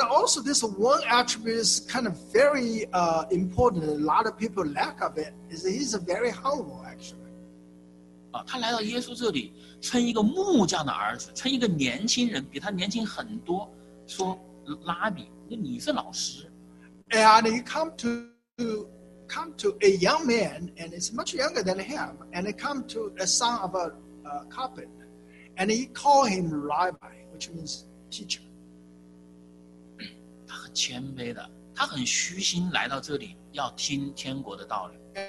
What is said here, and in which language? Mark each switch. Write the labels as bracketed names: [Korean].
[English] also this one attribute is kind of very important, a lot of people lack of it, is that he's a very humble. [Chinese] 他来到耶稣这里，称一个木匠的儿子，称一个年轻人，比他年轻很多，说：“拉比，你是老师。” [English] And he come to a young man, and is much younger than him, and he come to a son of a carpenter, and he call him Rabbi, which means teacher. [Chinese] 他很谦卑的，他很虚心来到这里，要听天国的道理。 [English] And